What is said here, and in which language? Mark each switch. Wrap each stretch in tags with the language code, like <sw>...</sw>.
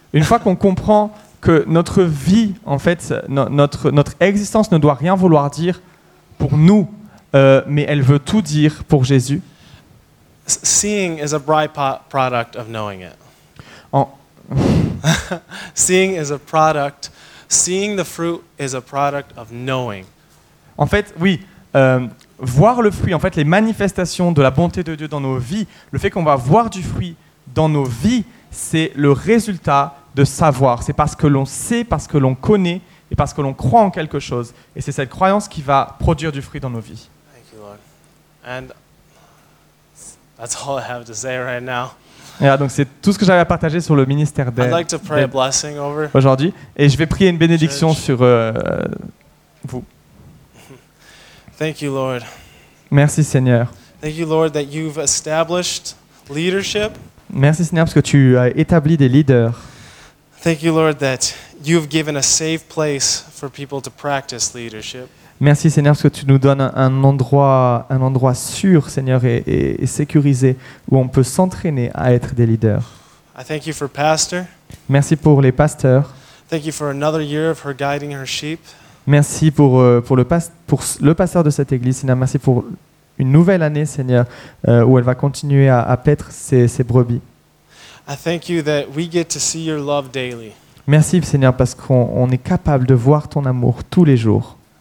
<fr>Une fois qu'on comprend que notre vie, en fait, notre existence ne doit rien vouloir dire pour nous, mais elle veut tout dire pour Jésus.</fr> <en>Seeing is a product of knowing it. Seeing is a product. Seeing the fruit is a product of knowing.</en> <fr>En fait, oui. Voir le fruit, en fait, les manifestations de la bonté de Dieu dans nos vies, le fait qu'on va voir du fruit dans nos vies, c'est le résultat de savoir. C'est parce que l'on sait, parce que l'on connaît et parce que l'on croit en quelque chose. Et c'est cette croyance qui va produire du fruit dans nos vies.</fr> <en>Thank you, Lord. And that's all I have to say right now.</en> <fr>Yeah, donc c'est tout ce que j'avais à partager sur le ministère d'aide.</fr> <en>I'd like to pray a blessing over</en> <fr>aujourd'hui. Et je vais prier une bénédiction sur vous.</fr> <en>Thank you, Lord.</en> <fr>Merci, Seigneur.</fr> <en>Thank you, Lord, that you've established leadership.</en> <fr>Merci, Seigneur, parce que tu as établi des leaders.</fr> <en>Thank you, Lord, that you've given a safe place for people to practice leadership.</en> <fr>Merci, Seigneur, parce que tu nous donnes un endroit sûr, Seigneur, et sécurisé où on peut s'entraîner à être des leaders.</fr> <en>I thank you for pastor.</en> <fr>Merci pour les pasteurs.</fr> <en>Thank you for another year of her guiding her sheep.</en> <fr>Merci pour le pasteur de cette église, Seigneur. Merci pour une nouvelle année, Seigneur, où elle va continuer à paître ses brebis.</fr> <en>I thank you that we get to see your love daily.</en> <fr>Merci, Seigneur, parce qu'on est capable de voir ton amour tous les jours.</fr>